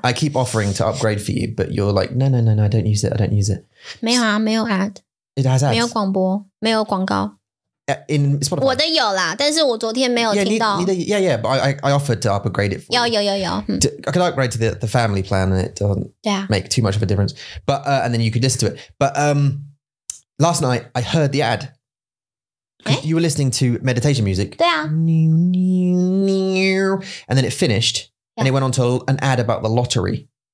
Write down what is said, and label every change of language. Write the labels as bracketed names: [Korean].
[English] I keep offering to upgrade for you, but you're like, no, I don't use it, I don't use it. [Chinese] 没有啊，没有 ad. [English] It has ads. [Chinese] 没有广播，没有广告。 [English] In Spotify. [Chinese] 我的有啦，但是我昨天没有听到。 [English] Yeah, but I offered to upgrade it for you. 有。I could upgrade to the family plan and it doesn't make too much of a difference. But, and then you could listen to it. But last night, I heard the ad. You were listening to meditation music. [Chinese] 对啊。 [English] And then it finished and it went on to an ad about the lottery.